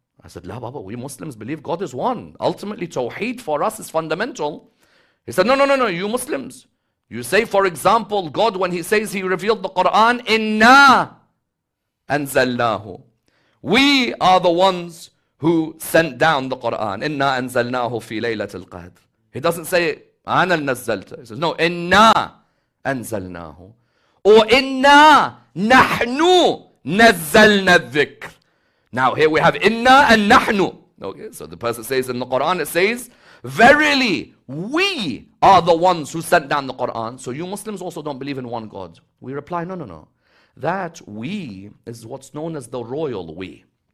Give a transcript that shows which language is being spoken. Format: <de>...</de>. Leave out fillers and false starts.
<en>I said, La Baba, we Muslims believe God is one. Ultimately, Tawheed for us is fundamental. He said, no, you Muslims. You say, for example, God, when he says he revealed the Quran,</en> <ar>Inna أنزلناه.</ar> <en>We are the ones who sent down the Quran.</en> <ar>Inna أنزلناه في ليلة القدر.</ar> <en>He doesn't say</en> <ar>أنا نزلت.</ar> <en>He says no.</en> <ar>Inna أنزلناه.</ar> <en>Or</en> <ar>Inna نحن نزلنا الذكر.</ar> <en>Now here we have Inna and نحن. Okay. So the person says in the Quran, it says, verily we are the ones who sent down the Quran. So you Muslims also don't believe in one God. We reply, no. That we is what's known as the royal we.</en>